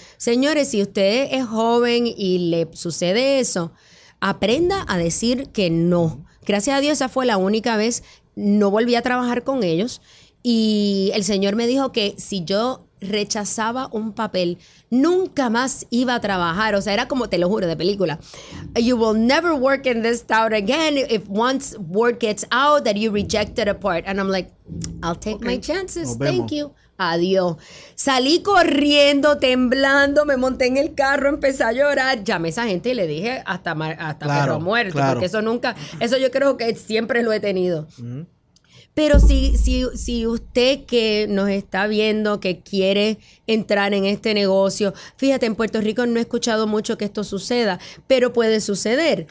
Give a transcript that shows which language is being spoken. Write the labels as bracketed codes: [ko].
[es] Señores, si usted es joven y le sucede eso, aprenda a decir que no. Gracias a Dios, esa fue la única vez. No volví a trabajar con ellos. Y el señor me dijo que si yo rechazaba un papel, nunca más iba a trabajar. O sea, era como, te lo juro, de película. [en] You will never work in this town again if once word gets out that you rejected a part. And I'm like, I'll take my chances. Thank you. Adiós. [es] Salí corriendo, temblando, me monté en el carro, empecé a llorar. Llamé a esa gente y le dije hasta claro, perro muerto. Claro. Porque eso nunca, eso yo creo que siempre lo he tenido. Mm-hmm. Pero si usted que nos está viendo, que quiere entrar en este negocio, fíjate, en Puerto Rico no he escuchado mucho que esto suceda, pero puede suceder.